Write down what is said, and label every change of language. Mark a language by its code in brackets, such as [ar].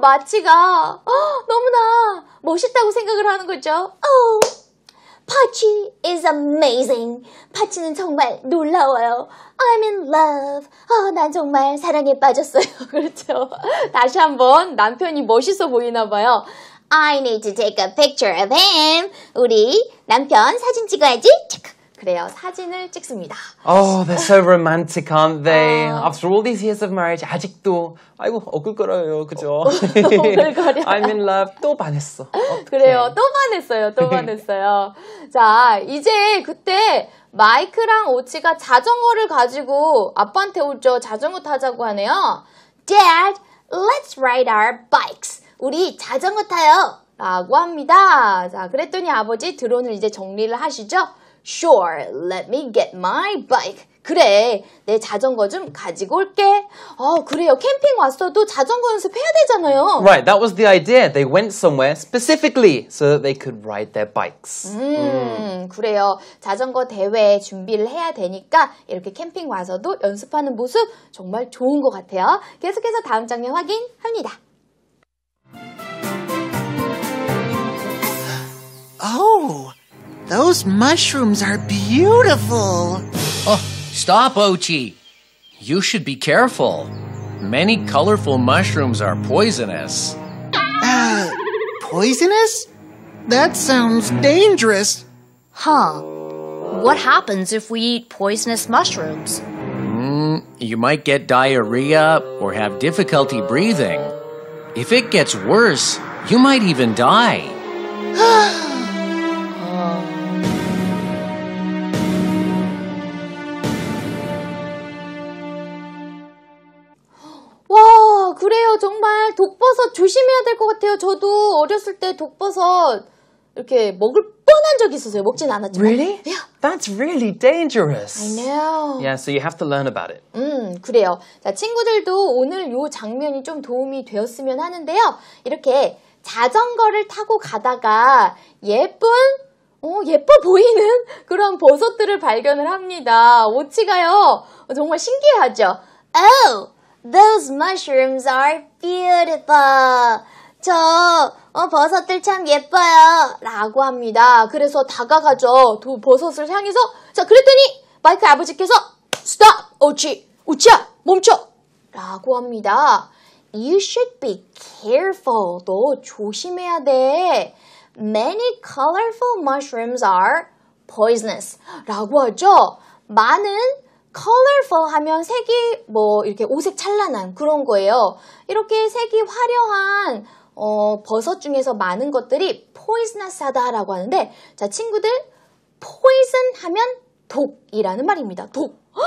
[ko] 마치가 너무나 멋있다고 생각을 하는 거죠. [en] Oh, Pachi is amazing. [ko] Pachi는 정말 놀라워요. [en] I'm in love. [ko] 난 정말 사랑에 빠졌어요. 그렇죠. 다시 한번 남편이 멋있어 보이나 봐요. [en] I need to take a picture of him. [ko] 우리 남편 사진 찍어야지. 그래요. 사진을 찍습니다. [en] Oh, they're so romantic, aren't they? After all these years of marriage, [ko] 아직도 아이고, 억울 거라요. 그죠? 억울 거려. [en] I'm in love. [ko] 또 반했어. 그래요. 또 반했어요. 또 반했어요. 자, 이제 그때 마이크랑 오치가 자전거를 가지고 아빠한테 오죠. 자전거 타자고 하네요. [en] Dad, let's ride our bikes. [ko] 우리 자전거 타요. 라고 합니다. 자, 그랬더니 아버지 드론을 이제 정리를 하시죠. [en] Sure, let me get my bike. [ko] 그래, 내 자전거 좀 가지고 올게. 어, 그래요. 캠핑 왔어도 자전거 연습해야 되잖아요. [en] Right, that was the idea. They went somewhere specifically so that they could ride their bikes. 그래요. [ko] 자전거 대회 준비를 해야 되니까 이렇게 캠핑 와서도 연습하는 모습 정말 좋은 것 같아요. 계속해서 다음 장면 확인합니다. [en] Oh, those mushrooms are beautiful. Oh, stop, Ochi. You should be careful. Many colorful mushrooms are poisonous. Poisonous? That sounds dangerous. Huh. What happens if we eat poisonous mushrooms? You might get diarrhea or have difficulty breathing. If it gets worse, you might even die. [ko] Wow, 그래요. 정말 독버섯 조심해야 될 것 같아요. 저도 어렸을 때 독버섯 이렇게 먹을 뻔한 적이 있었어요. 먹진 않았지만. [en] Really? Yeah. That's really dangerous. I know. Yeah, so you have to learn about it. [ko] 그래요. 자, 친구들도 오늘 이 장면이 좀 도움이 되었으면 하는데요. 이렇게 자전거를 타고 가다가 예뻐 보이는 그런 버섯들을 발견을 합니다. 오치가요. 정말 신기하죠? [en] Oh, those mushrooms are beautiful. [ko] 저 버섯들 참 예뻐요. 라고 합니다. 그래서 다가가죠. 두 버섯을 향해서. 자, 그랬더니 마이크 아버지께서 Stop, 오치. 오치야, 멈춰. 라고 합니다. [en] You should be careful. [ko] 너 조심해야 돼. [en] Many colorful mushrooms are poisonous. [ko] 라고 하죠. 많은 colorful 하면 색이 뭐 이렇게 오색 찬란한 그런 거예요. 이렇게 색이 화려한 버섯 중에서 많은 것들이 poisonous 하다라고 하는데 자, 친구들 poison 하면 독이라는 말입니다. 독.